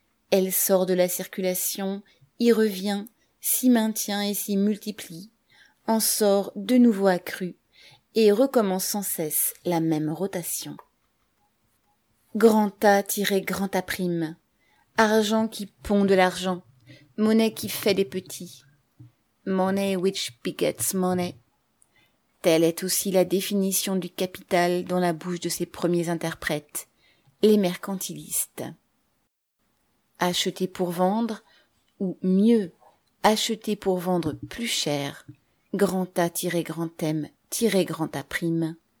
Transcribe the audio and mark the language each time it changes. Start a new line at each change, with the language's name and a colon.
French: Elle sort de la circulation, y revient, s'y maintient et s'y multiplie, en sort de nouveau accrue, et recommence sans cesse la même rotation. Grand A tiré grand A prime, argent qui pond de l'argent, monnaie qui fait des petits.
English: Money which begets money.
French: Telle est aussi la définition du capital dans la bouche de ses premiers interprètes, les mercantilistes. Acheter pour vendre, ou mieux, acheter pour vendre plus cher, grand A tiré grand M tiré grand A prime.